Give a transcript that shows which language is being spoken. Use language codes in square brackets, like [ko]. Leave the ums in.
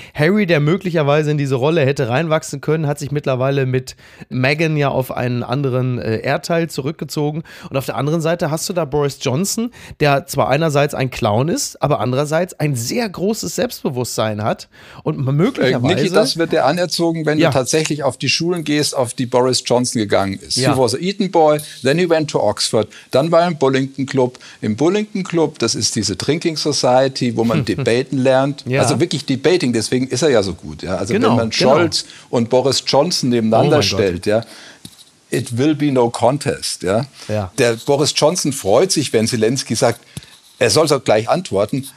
[de] Harry, der möglicherweise in diese Rolle hätte reinwachsen können, hat sich mittlerweile mit Meghan ja auf einen anderen äh, Erdteil zurückgezogen. Und auf der anderen Seite hast du da Boris Johnson, der zwar einerseits ein Clown ist, aber andererseits ein sehr großes Selbstbewusstsein hat und möglicherweise. Äh, Nikki, das wird dir anerzogen, wenn ja. du tatsächlich auf die Schulen gehst, auf die Boris Johnson gegangen ist. [en] Yeah. Ja. He was an Eton boy, then he went to Oxford, [de] dann war er im Bullington Club. Im Bullington Club, das ist diese Drinking Society, wo man hm, debaten hm. lernt. Ja. Also wirklich debating, deswegen ist er ja so gut. Ja? Also genau, wenn man genau. Scholz und Boris Johnson nebeneinander oh stellt, Gott. ja. [en] It will be no contest. [de] Der Boris Johnson freut sich, wenn Zelensky sagt, er soll auch so gleich antworten.